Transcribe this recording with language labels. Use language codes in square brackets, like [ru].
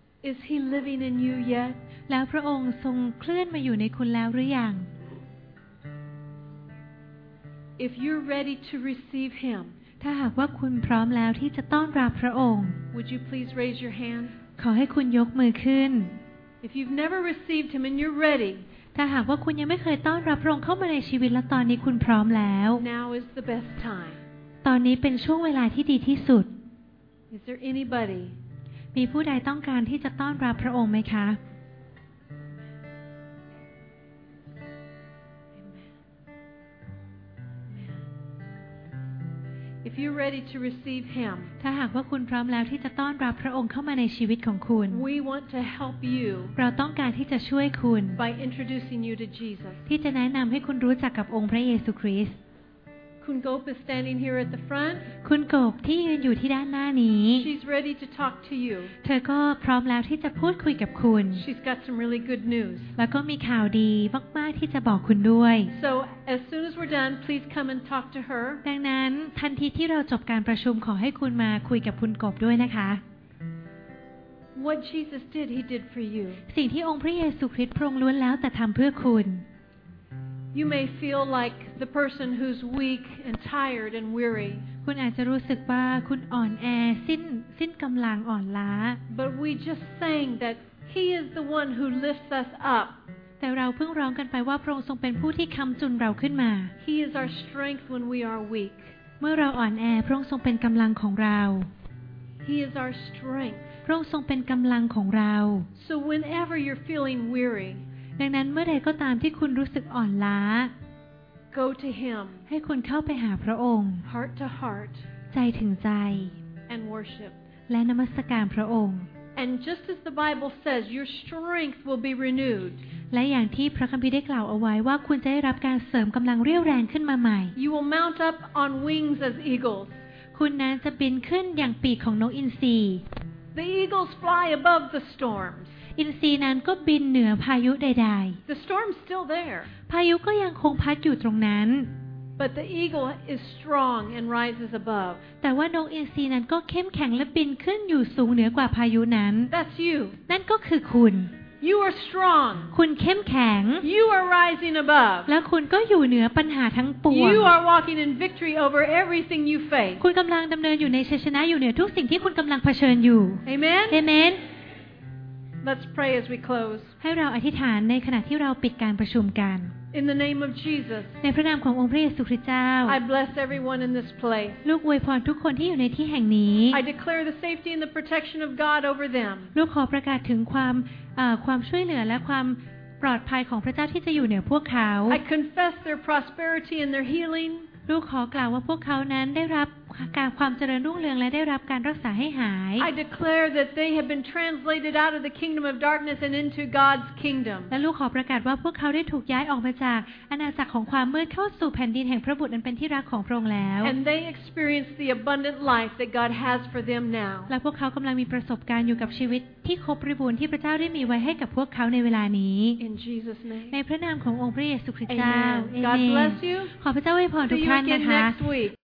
[en] Is he living in you yet? [th] แล้วพระองค์ทรงเคลื่อนมาอยู่ในคุณแล้วหรือยัง [en] If you're ready to receive him [th] ถ้าหากว่าคุณพร้อมแล้วที่จะต้อนรับพระองค์ [en] Would you please raise your hand? [th] ขอให้คุณยกมือขึ้น [en] If you've never received him and you're ready. [th] ถ้าหากว่าคุณยังไม่เคยต้อนรับพระองค์เข้ามาในชีวิตและตอนนี้คุณพร้อมแล้ว [en] Now is the best time. [th] ตอนนี้เป็นช่วงเวลาที่ดีที่สุด [en] Is there anybody? [th] มีผู้ใดต้องการที่จะต้อนรับพระองค์ไหมคะ [en] If you're ready to receive him. [th] ถ้าหากว่าคุณพร้อมแล้วที่จะต้อนรับพระองค์เข้ามาในชีวิตของคุณ [en] We want to help you. [th] เราต้องการที่จะช่วยคุณ [en] By introducing you to Jesus. [th] ที่จะแนะนําให้คุณรู้จักกับองค์พระเยซูคริสต์ [en] Kun Gop is standing here at the front. [th] คุณกบที่ยืนอยู่ที่ด้านหน้านี้ [en] She's ready to talk to you. [th] เธอก็พร้อมแล้วที่จะพูดคุยกับคุณ [en] She's got some really good news. [th] แล้วก็มีข่าวดีมากๆที่จะบอกคุณด้วย [en] So as soon as we're done, please come and talk to her. [th] ดังนั้นทันทีที่เราจบการประชุมขอให้คุณมาคุยกับคุณกบด้วยนะคะ [en] What Jesus did, he did for you. [th] สิ่งที่องค์พระเยซูคริสต์ทรงล้วนแล้วแต่ทำเพื่อคุณ [en] You may feel like the person who's weak and tired and weary. [th] คุณอาจจะรู้สึกว่าคุณอ่อนแอสิ้นกำลังอ่อนล้า [en] But we just sang that he is the one who lifts us up. [th] แต่เราเพิ่งร้องกันไปว่าพระองค์ทรงเป็นผู้ที่ค้ำจุนเราขึ้นมา [en] He is our strength when we are weak [th] เมื่อเราอ่อนแอพระองค์ทรงเป็นกำลังของเรา [en] He is our strength [th] พระองค์ทรงเป็นกำลังของเรา [en] So whenever you're feeling weary [th] ดังนั้นเมื่อใดก็ตามที่คุณรู้สึกอ่อนล้า [en] Go to him [th] ให้คุณเข้าไปหาพระองค์ [en] Heart to heart [th] ใจถึงใจ [en] And worship [th] และนมัสการพระองค์ [en] And just as the Bible says, your strength will be renewed. [th] และอย่างที่พระคัมภีร์ได้กล่าวเอาไว้ว่าคุณจะได้รับการเสริมกำลังเรี่ยวแรงขึ้นมาใหม่ [en] You will mount up on wings as eagles. [th] คุณนั้นจะบินขึ้นอย่างปีกของนกอินทรี [en] The eagles fly above the storms. [th] อินทรีนั้นก็บินเหนือพายุใดๆ [en] The storm's still there. [th] พายุก็ยังคงพัดอยู่ตรงนั้น [en] But the eagle is strong and rises above. [th] แต่ว่านกอินทรีนั้นก็เข้มแข็งและบินขึ้นอยู่สูงเหนือกว่าพายุนั้น [en] That's you. [th] นั่นก็คือคุณ [en] You are strong. [th] คุณเข้มแข็ง [en] You are rising above. [th] และคุณก็อยู่เหนือปัญหาทั้งปวง [en] You are walking in victory over everything you face. [th] คุณกำลังดำเนินอยู่ในชัยชนะอยู่เหนือทุกสิ่งที่คุณกำลังเผชิญอยู่ [en] Amen. Amen. Let's pray as we close. [th] ให้เราอธิษฐานในขณะที่เราปิดการประชุมกัน [en] In the name of Jesus. [th] ในพระนามขององค์พระเยซูคริสต์เจ้า [en] I bless everyone in this place. [th] ลูกอวยพรทุกคนที่อยู่ในที่แห่งนี้ [en] I declare the safety and the protection of God over them. [th] ลูกขอประกาศถึงความช่วยเหลือและความปลอดภัยของพระเจ้าที่จะอยู่เหนือพวกเขา [en] I confess their prosperity and their healing. [th] ลูกขอกล่าวว่าพวกเขานั้นได้รับการความเจริญรุ่งเรืองและได้รับการรักษาให้หาย [en] I declare that they have been translated out of the kingdom of darkness and into God's kingdom [th] และลูกขอประกาศว่าพวกเขาได้ถูกย้ายออกมาจากอาณาจักรของความมืดเข้าสู่แผ่นดินแห่งพระบุตรอันเป็นที่รักของพระองค์แล้ว [en] And they experience the abundant life that God has for them now [th] และพวกเขากำลังมีประสบการณ์อยู่กับชีวิตที่ครบบริบูรณ์ที่พระเจ้าได้มีไว้ให้กับพวกเขาในเวลานี้ [en] In Jesus name [th] ในพระนามขององค์พระเยซูคริสต์เจ้า [en] Amen God bless you [th] ขอพระเจ้าอวยพรทุกท่านนะคะ